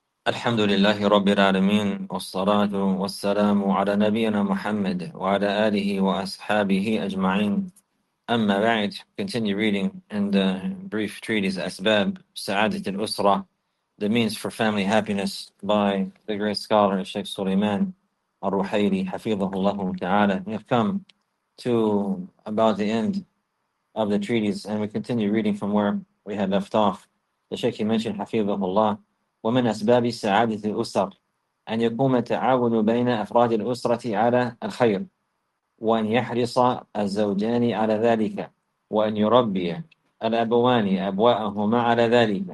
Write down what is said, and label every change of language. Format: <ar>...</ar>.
<ar>الحمد لله رب العالمين، والصلاة والسلام على نبينا محمد وعلى آله وأصحابه أجمعين. أما بعد،</ar> <en>continue reading in the brief treatise</en> <ar>أسباب سعادة الأسرة,</ar> <en>The Means for Family Happiness by the great scholar Sheikh Suleiman الرحيلي</en> <ar>حفظه الله تعالى.</ar> <en>We have come to about the end of the treatise and we continue reading from where we had left off. The Sheikh mentioned</en> <ar>حفظه الله ومن أسباب سعادة الأسر أن يقوم التعاون بين أفراد الأسرة على الخير وأن يحرص الزوجان على ذلك وأن يربي الأبوان أبواءهما على ذلك.</ar>